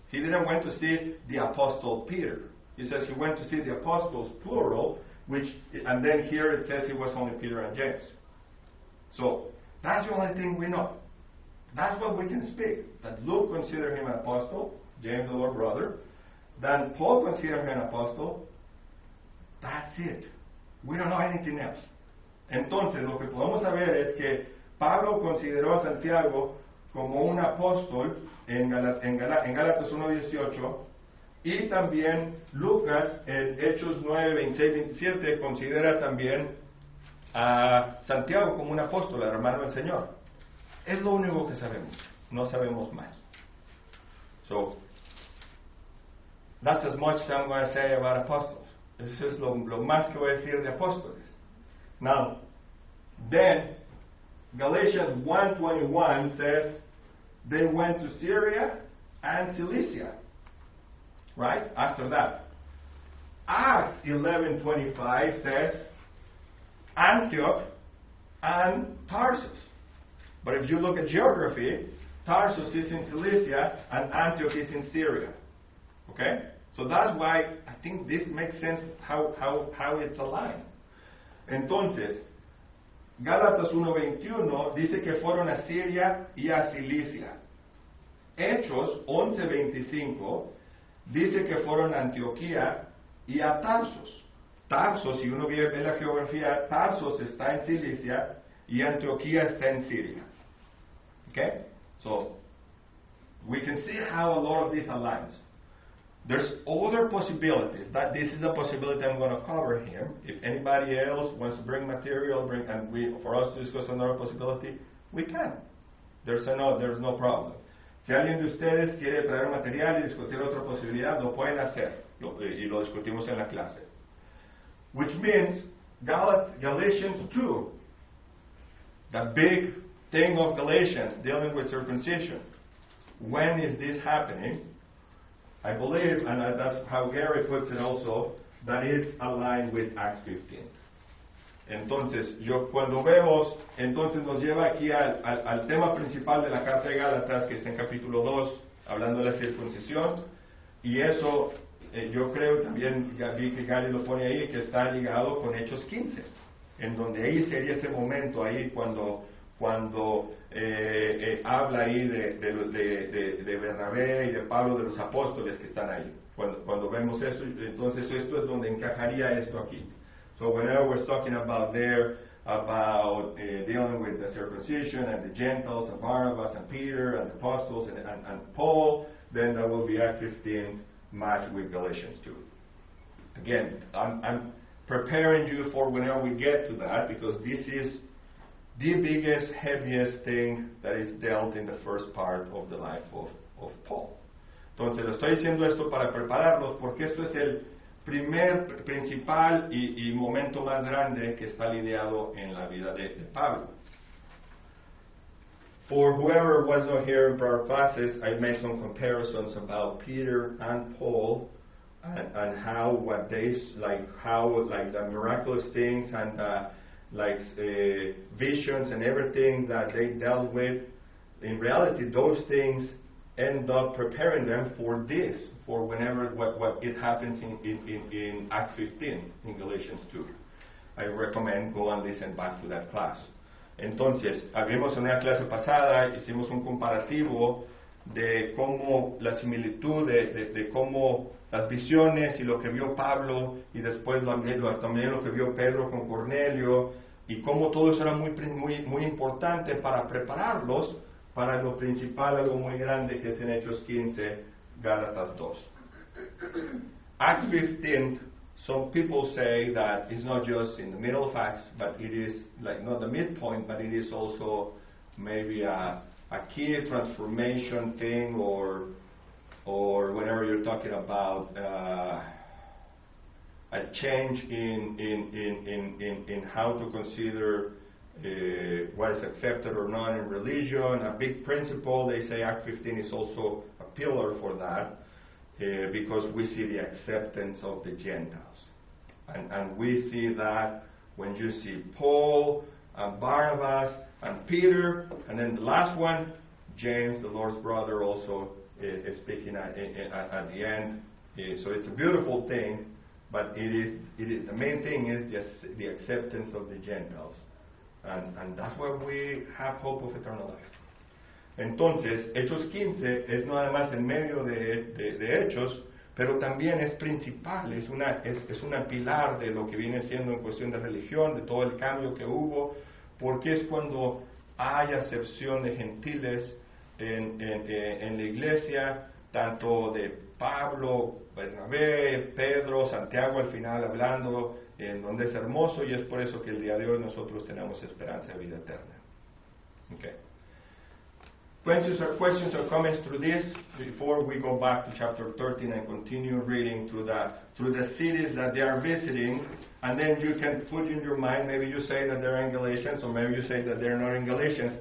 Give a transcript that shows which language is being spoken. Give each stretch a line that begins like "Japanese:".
English: He didn't went to see the apostle Peter. He says he went to see the apostles, plural, and then here it says it was only Peter and James. So that's the only thing we know. That's what we can speak, that Luke considered him an apostle, James the Lord's brother, that Paul considered him an apostle. That's it. We don't know anything else.
Spanish: Entonces, lo que podemos saber es que Pablo consideró a Santiago como un apóstol en Gálatas 1:18, y también Lucas en Hechos 9:26-27 considera también a Santiago como un apóstol, el hermano del Señor. Es lo único que sabemos. No sabemos más.
English: So, that's as much as I'm going to say about apostles. This is
Spanish: lo más que voy a decir de apóstoles.
English: Now, then, Galatians 1:21 says, they went to Syria and Cilicia. right? After that. Acts 11:25 says Antioch and Tarsus. But if you look at geography, Tarsus is in Cilicia and Antioch is in Syria. Okay? So that's why I think this makes sense how it's aligned.
Spanish: Entonces, Gálatas 1:21 dice que fueron a Siria y a Cilicia. Hechos 11:25 dice que fueron a Antioquía y a Tarsos. Tarsos, si uno ve la geografía, Tarsos está en Cilicia y Antioquía está en Siria. Okay?
English: So, we can see how a lot of this aligns. There's other possibilities. That this is a possibility I'm going to cover here. If anybody else wants to bring material, bring and we for us to discuss another possibility, we can. There's no problem.
Spanish: Si alguien de ustedes quiere traer material y discutir otra posibilidad, lo pueden hacer. Y lo discutimos en la clase.
English: Which means Galatians 2, the big thing of Galatians dealing with circumcision. When is this happening? I believe, and that's how Gary puts it also, that it's aligned with Acts 15.
Spanish: Entonces, yo cuando vemos, entonces nos lleva aquí al tema principal de la carta de Gálatas, que está en capítulo 2, hablando de la circuncisión, y eso, yo creo, también ya vi que Gary lo pone ahí, que está ligado con Hechos 15, en donde ahí sería ese momento, ahí cuando habla ahí de Bernabé y de Pablo, de los apóstoles que están ahí. Cuando vemos eso, entonces esto es donde encajaría esto aquí.
English: So whenever we're talking about there, about dealing with the circumcision and the Gentiles and Barnabas and Peter and the apostles and Paul, then that will be Act 15 match with Galatians 2. Again, I'm preparing you for whenever we get to that, because this is the biggest, heaviest thing that is dealt in the first part of the life of Paul.
Spanish: Entonces, estoy diciendo esto para prepararlos, porque esto es el primer, principal y momento más grande que está lidiado en la vida de Pablo.
English: For whoever was not here in prior classes, I made some comparisons about Peter and Paul and how what they, like, how, like, the miraculous things and the visions and everything that they dealt with, in reality, those things end up preparing them for this, for whenever what it happens in Act 15 in Galatians 2. I recommend go and listen back to that class.
Spanish: Entonces, habíamos en la clase pasada, hicimos un comparativo de cómo la similitud de cómo las visiones y lo que vio Pablo y después también lo que vio Pedro con Cornelio. Y cómo todo eso era muy, muy, muy importante para prepararlos para lo principal, algo muy grande, que es en Hechos 15, Gálatas 2.
English: Acts 15, some people say that it's not just in the middle of Acts, but it is like not the midpoint, but it is also maybe a key transformation thing, or whenever you're talking about a change in how to consider what is accepted or not in religion, a big principle. They say Act 15 is also a pillar for that, because we see the acceptance of the Gentiles, and we see that when you see Paul and Barnabas and Peter, and then the last one, James, the Lord's brother, also is speaking at the end. So it's a beautiful thing. But it is the main thing is just the acceptance of the Gentiles, and that's where we have hope of eternal life.
Spanish: Entonces, Hechos 15 es no además en medio de Hechos, pero también es principal, es una pilar de lo que viene siendo en cuestión de religión, de todo el cambio que hubo, porque es cuando hay acepción de gentiles en la iglesia, tanto de Pablo, Bernabé, Pedro, Santiago al final hablando, en donde es hermoso, y es por eso que el día de hoy nosotros tenemos esperanza de vida eterna.
English: Okay. Questions or comments through this before we go back to chapter 13 and continue reading through the cities that they are visiting, and then you can put in your mind, maybe you say that they're in Galatians, or maybe you say that they're not in Galatians.